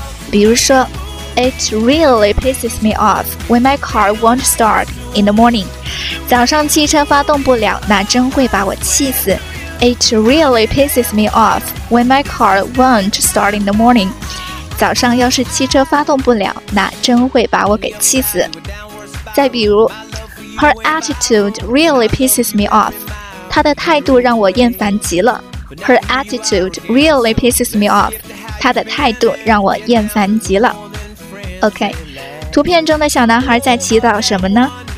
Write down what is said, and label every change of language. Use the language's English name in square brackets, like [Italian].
[Chinese] 比如说 [English] It really pisses me off when my car won't start in the morning. [Chinese] 早上汽车发动不了，那真会把我气死。 [English] It really pisses me off when my car won't start in the morning. [Chinese] 早上要是汽车发动不了，那真会把我给气死。再比如 [English] Her attitude really pisses me off. [Chinese] 她的态度让我厌烦极了。 [English] Her attitude really pisses me off. [Chinese] 她的态度让我厌烦极了。OK, 图片中的小男孩在祈祷什么呢？